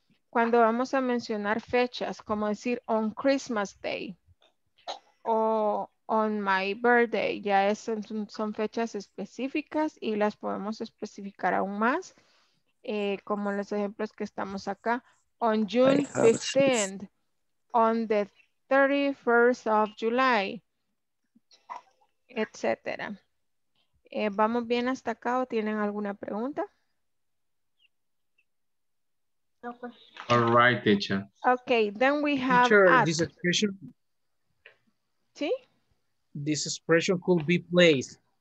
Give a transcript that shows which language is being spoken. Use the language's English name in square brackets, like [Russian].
[Spanish] Cuando vamos a mencionar fechas, como decir [English] on Christmas Day, [Spanish] o [English] on my birthday. [Spanish] Ya son fechas específicas y las podemos especificar aún más, como los ejemplos que estamos acá. [English] On June 15th, on the 31st of July, etc. [Spanish] ¿Vamos bien hasta acá o tienen alguna pregunta? [English] All right, teacher. Okay, then we have this expression. [Spanish] ¿Sí? [English] This expression could be placed.